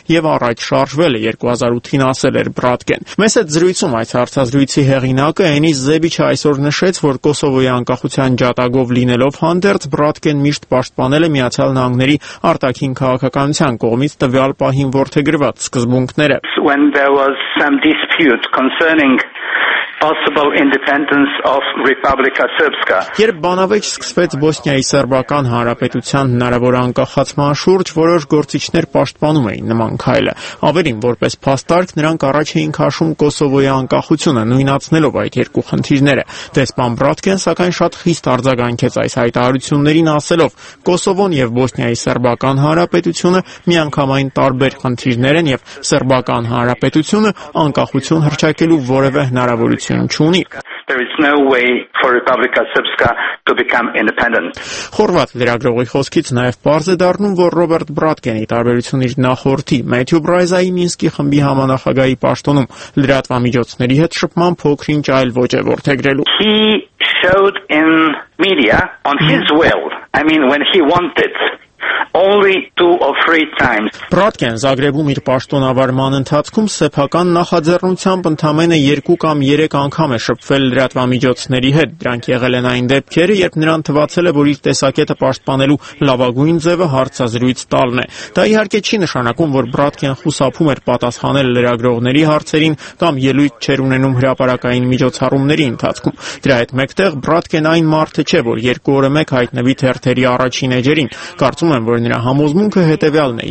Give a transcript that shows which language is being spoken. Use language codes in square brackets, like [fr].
[hy] և առաջ շարժվել է, 2008-ին ասել էր Բրատկեն։ Մեզ հետ զրույցում այս հարցազրույցի հեղինակը Էնիս Զեբիչը այսօր նշեց, որ Կոսովոյի անկախության ջատագով լինելով հանդերձ Բրատկեն միշտ պաշտպանել է Միացյալ Նահանգների արտաքին քաղաքականության կողմից տվյալ պահին որդեգրված սկզբունքները։ [en] When there was some dispute concerning possible independence of Republika Srpska. [hy] Երբ բանավեճ սկսվեց Բոսնիայի սերբական հանրապետության հնարավոր անկախացման շուրջ, որոշ գործիչներ պաշտպանում էին նման քայլը։ Ավելին, որպես փաստարկ, նրանք առաջ էին քաշում Կոսովոյի անկախությունը, նույնացնելով այդ երկու խնդիրները։ Դեսպան Բրատկեն, սակայն, շատ խիստ արձագանքեց այս հայտարարություններին, ասելով. Կոսովոն և Բոսնիայի սերբական հանրապետությունը միանգամայն տարբեր խնդիրներ են և սերբական հանրապետությունը անկախություն հրճակելու որևէ հնարավորություն չունի։ [en] There is no way for Republika Srpska to become independent. [hy] Խորվաթ լրագրողի խոսքից նաև պարզ է դառնում, որ Ռոբերտ Բրատկենի տարբերություն իր նախորդի Մեթյու Բրայզայի Մինսկի խմբի համանախագահի պաշտոնում լրատվամիջոցների հետ շփման փոքրինչ այլ ոճ է որդեգրելու։ [en] He showed in media on his will. I mean when he wanted. Only 2 or 3 times. [hy] Բրատկեն Զագրեբում իր պաշտոնավարման ընթացքում սեփական նախաձեռնությամբ ընդամենը 2 կամ 3 անգամ է շփվել լրատվամիջոցների հետ։ Դրանք եղել են այն դեպքերը, երբ նրան թվացել է, որ իր տեսակետը պաշտպանելու լավագույն ձևը հարցազրույց տալն է։ Դա իհարկե չի նշանակում, որ Բրատկեն խուսափում էր պատասխանել լրագրողների հարցերին կամ ելույթ չեր ունենում հրապարակային միջոցառումների ընթացքում։ Դրա հետ մեկտեղ Բրատկեն այն մարդը չէ, որ 2 օրը 1 հայտնվի թերթերի առաջին էջերին։ Կարծում եմ, որ նրա համոզմունքը հետևյալն է.